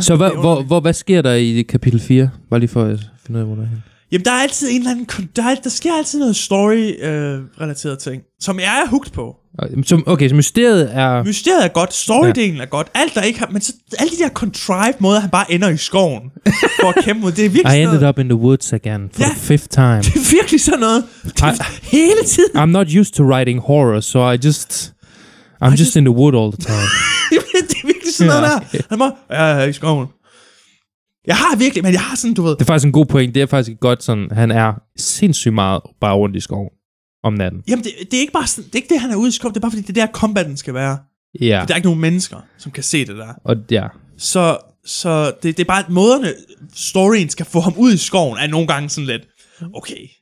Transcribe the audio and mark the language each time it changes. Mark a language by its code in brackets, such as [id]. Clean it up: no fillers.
[da] så hvad sker der i kapitel 4? Bare lige for at finde ud af, hvor der er hen. Jamen, der er altid en eller anden... Der sker altid noget story-relateret ting, som jeg er hooked på. Okay, så mysteriet er godt, story-delen ja. Er godt, alt der ikke har... Men så alle de der contrived måder, han bare ender i skoven for at kæmpe mod, det er virkelig [en] I ended up in the woods again for the fifth time. [da] Det er virkelig sådan noget. Hele tiden. [en] I'm not used to writing horror, so I'm just in the wood all the time. [da] Ja, okay. Han er i skoven. Jeg har virkelig, men jeg har sådan, du ved. Det er faktisk en god point. Det er faktisk godt sådan, han er sindssygt meget bare rundt i skoven om natten. Jamen, det er ikke bare sådan, det er ikke det, han er ude i skoven. Det er bare fordi, det er der, combatten skal være. Ja. For der er ikke nogen mennesker, som kan se det der. Og ja. Så det er bare måderne, storyen skal få ham ud i skoven, er nogle gange sådan lidt, okay.